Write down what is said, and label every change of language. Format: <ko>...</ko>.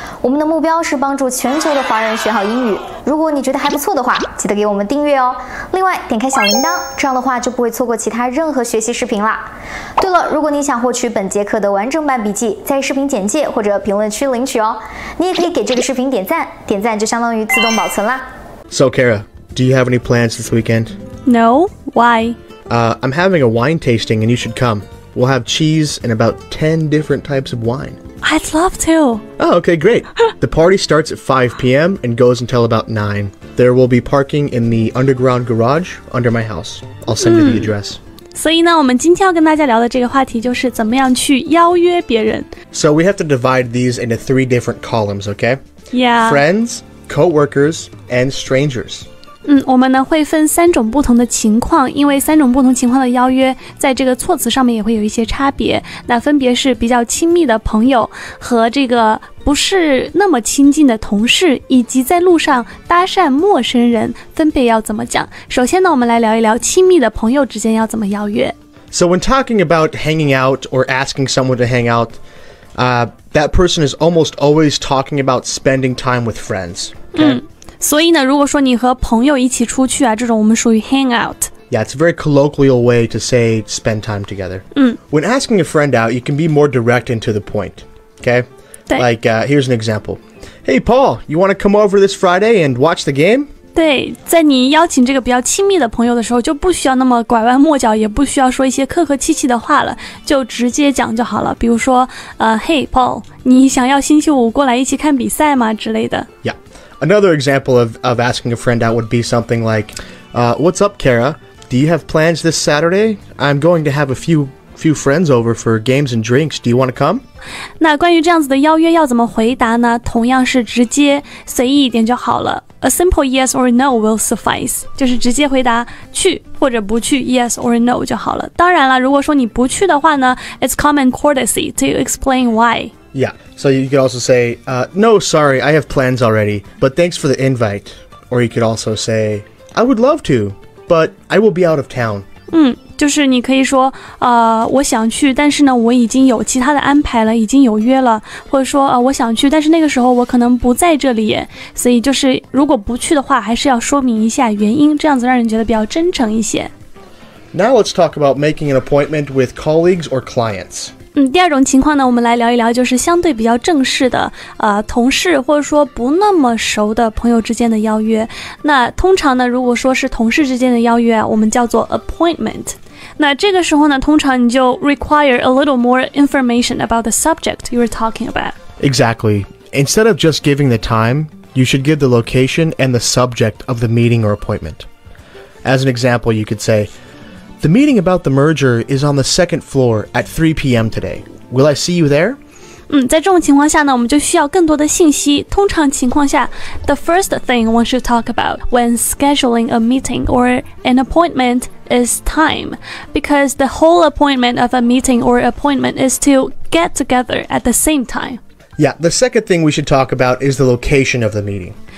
<zh>我们的目标是帮助全球的华人学好英语。如果你觉得还不错的话，记得给我们订阅哦。另外点开小铃铛，这样的话就不会错过其他任何学习视频啦。对了，如果你想获取本节课的完整版笔记，在视频简介或者评论区领取哦。你也可以给这个视频点赞，点赞就相当于自动保存啦。</zh> <en>So Kara,Do you have any plans this weekend? No, why? I'm having a wine tasting and you should come. We'll have cheese and about 10 different types of wine. I'd love to. Oh, okay, great. The party starts at 5 p.m. and goes until about 9. There will be parking in the underground garage under my house. I'll send you the address.</en> <zh>所以呢，我们今天要跟大家聊的这个话题就是怎么样去邀约别人。</zh> <en>So we have to divide these into three different columns, okay? Yeah. Friends, co-workers, and strangers.</en> <zh>我们呢会分三种不同的情况，因为三种不同情况的邀约在这个措辞上面也会有一些差别，那分别是比较亲密的朋友和这个不是那么亲近的同事，以及在路上搭讪陌生人分别要怎么讲。首先呢，我们来聊一聊亲密的朋友之间要怎么邀约。</zh> <en>So when talking about hanging out or asking someone to hang out, that person is almost always talking about spending time with friends, okay?</en> <zh>所以呢，如果说你和朋友一起出去啊，这种我们属于 hang out.</zh> <en>Yeah, it's a very colloquial way to say spend time together. When asking a friend out, you can be more direct and to the point, okay? Here's an example. Hey, Paul, you want to come over this Friday and watch the game?</en> <zh>对，在你邀请这个比较亲密的朋友的时候，就不需要那么拐弯抹角，也不需要说一些客客气气的话了，就直接讲就好了。比如说，</zh> <en>Hey, Paul,</en> <zh>你想要星期五过来一起看比赛吗？之类的。</zh> <en>Yeah. Another example of asking a friend out would be something like, what's up, Kara? Do you have plans this Saturday? I'm going to have a few friends over for games and drinks. Do you want to come?</en> <zh>那关于这样子的邀约要怎么回答呢？同样是直接随意一点就好了。</zh> <en>A simple yes or no will suffice.</en> <zh>就是直接回答去或者不去</zh> <en>yes or no</en> <zh>就好了。当然了，如果说你不去的话呢，</zh> <en>it's common courtesy to explain why. Yeah, so you could also say, no, sorry, I have plans already, but thanks for the invite. Or you could also say, I would love to, but I will be out of town.</en> <zh>就是你可以说，我想去，但是呢，我已经有其他的安排了，已经有约了，或者说，我想去，但是那个时候我可能不在这里，所以就是如果不去的话，还是要说明一下原因，这样子让人觉得比较真诚一些。</zh> <en>Now let's talk about making an appointment with colleagues or clients.</en> <zh>第二种情况呢，我们来聊一聊，就是相对比较正式的，同事或者说不那么熟的朋友之间的邀约。那通常呢，如果说是同事之间的邀约，我们叫做 appointment。那这个时候呢，通常你就</zh> <en>require a little more information about the subject you are talking about. Exactly. Instead of just giving the time, you should give the location and the subject of the meeting or appointment. As an example, you could say,The meeting about the merger is on the second floor at 3 p.m. today. Will I see you there?</en> <zh>在这种情况下呢，我们就需要更多的信息。通常情况下</zh> <en>，the first thing one should talk about when scheduling a meeting or an appointment is time, because the whole appointment of a meeting or appointment is to get together at the same time. Yeah, the second thing we should talk about is the location of the meeting.</en>